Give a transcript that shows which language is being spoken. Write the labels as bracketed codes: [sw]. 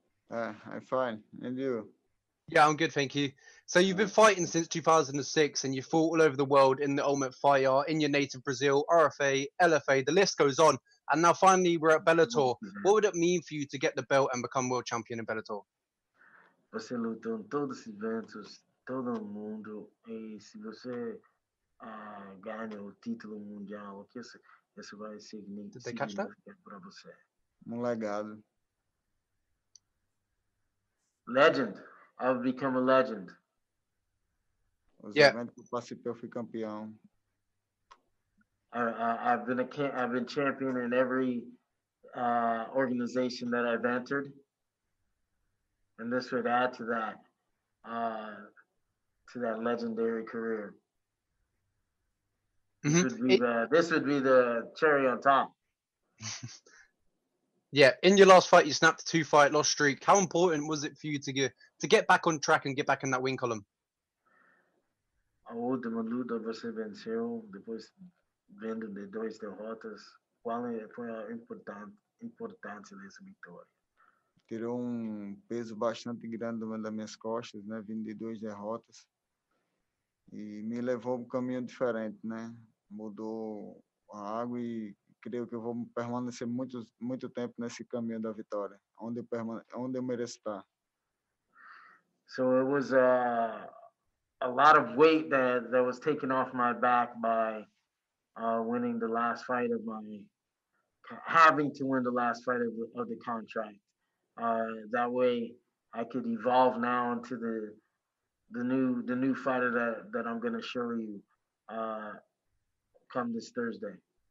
[en] I'm fine. And you? Yeah, I'm good, thank you. So you've been fighting since 2006, and you fought all over the world in the Ultimate Fighter, in your native Brazil, RFA, LFA, the list goes on. And now finally we're at Bellator. Mm-hmm. What would it mean for you to get the belt and become world champion in Bellator? [pt] Você lutou em todos os eventos, todo mundo, e se você ganha o título mundial, o que isso vai significar para você? Um legado. [en] Legend. I've become a legend. [pt] Os eventos que eu participei, eu fui campeão. [en] I've been champion in every organization that I've entered. And this would add to that. To that legendary career. Mm-hmm. This would be the cherry on top. Yeah, in your last fight, you snapped a 2-fight loss streak. How important was it for you to get back on track and get back in that win column? [pt] Oh, the luta você venceu, depois vendo de dois derrotas, qual foi a importância dessa vitória? Tirou peso bastante grande das minhas costas, né, vindo de duas derrotas, e me levou um caminho diferente, né? Mudou a água e creio que eu vou permanecer muito, muito tempo nesse caminho da vitória, onde eu mereço estar. [en] So it was a lot of weight that was taken off my back by winning the last fight of my, having to win the last fight of the contract. That way I could evolve now into the new fighter that I'm going to show you come this Thursday.